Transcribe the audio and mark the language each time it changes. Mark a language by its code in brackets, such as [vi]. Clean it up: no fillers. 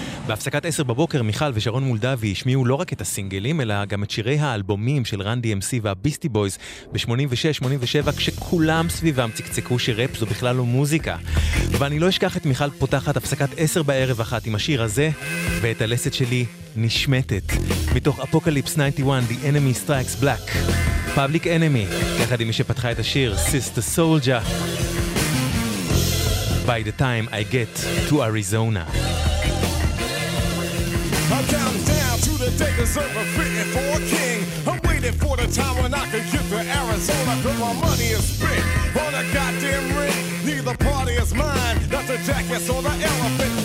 [he] בהפסקת 10 בבוקר, מיכל ושרון מולדבי השמיעו לא רק את הסינגלים, אלא גם את שירי האלבומים של רן די-אם-סי והביסטי בויז ב-86-87, כשכולם סביבם צקצקו שרפ זו בכלל לא מוזיקה. ואני לא אשכח את מיכל פותחת הפסקת 10 בערב אחת עם השיר הזה, ואת הלסת שלי נשמטת. מתוך אפוקליפס 91, The Enemy Strikes Black. Public Enemy, יחד עם מי שפתחה את השיר, Sister Soldier. [en] By the time I get to Arizona. I'm counting down to the day deserve a fitting for a king. I'm waiting for the time when I can get to Arizona. Cause my money is spent on a goddamn ring. Neither party is mine, not the jackets or the elephant.